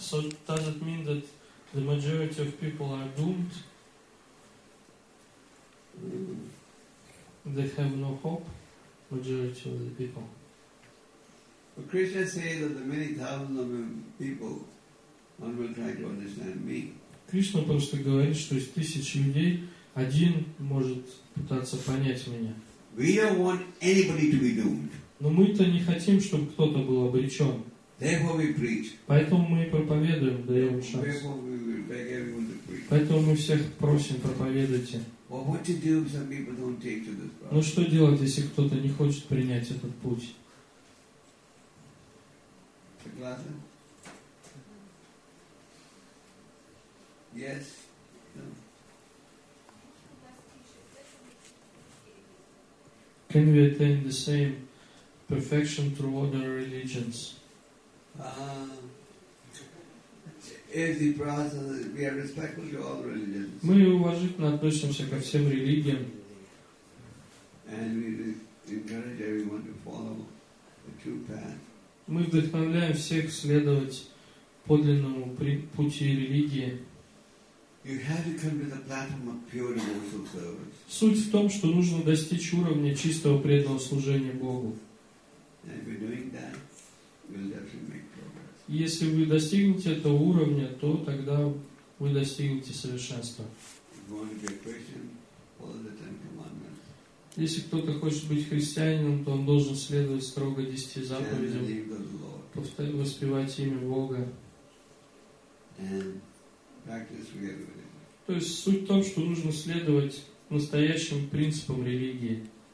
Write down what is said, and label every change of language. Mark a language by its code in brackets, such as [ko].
[en] So does it mean that the majority of people are doomed? They have no hope, majority of the people. But Krishna says that the many thousands of people, one will try to understand me. [ru] Krishna просто говорит, что из тысяч людей один может пытаться понять меня. [en] We don't want anybody to be doomed. [ru] Но мы-то не хотим, чтобы кто-то был обречен. [en] Therefore we preach. [ru] Поэтому мы проповедуем, даем шанс. [en] Therefore we will beg everyone to preach. [ru] Поэтому мы всех просим, проповедуйте. [en] Well, what to do if some people don't take to this path? [ru] Но что делать, если кто-то не хочет принять этот путь? Согласен? [en] Yes. Can we attain the same perfection through other religions? If the process, we are respectful to all religions. [ru] Мы уважительно относимся ко всем религиям. [en] And we encourage everyone to follow the true path. [ru] Мы вдохновляем всех следовать подлинному пути религии. [en] You have to come to the platform of pure devotional service. [ru] Суть в том, что нужно достичь уровня чистого преданного служения Богу. [en] And if you're doing that, you'll definitely make progress. [ru] Если вы достигнете этого уровня, то тогда вы достигнете совершенства. [en] If you want to be a Christian, follow the Ten Commandments. [ru] Если кто-то хочет быть христианином, то он должен следовать строго 10 заповедям, воспевать имя Бога. То есть суть в том, что нужно следовать настоящим принципам религии.